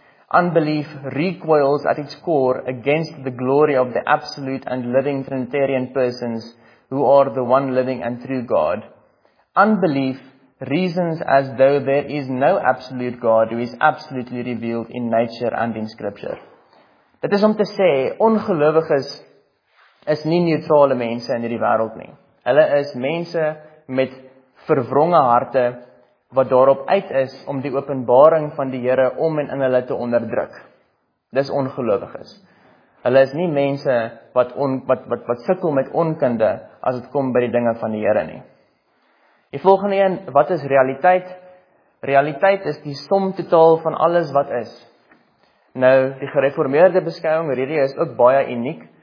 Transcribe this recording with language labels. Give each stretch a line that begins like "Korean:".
English: Unbelief recoils at its core against the glory of the absolute and living Trinitarian persons who are the one living and true God. Unbelief reasons as though there is no absolute God who is absolutely revealed in nature and in scripture.
Afrikaans: Dit is om te sê, ongelowiges is nie neutrale mense in hierdie wêreld nie. Hulle is mense met verwronge harte wat daarop uit is om die openbaring van die Here om en in hulle te onderdruk. Dis ongelowiges. Hulle is nie mense wat sukkel met onkunde as dit kom by die dinge van die Here nie. Die volgende een, wat is realiteit? Realiteit is die som totaal van alles wat is. Nou, die gereformeerde beskouwing, hierdie is ook baie uniek.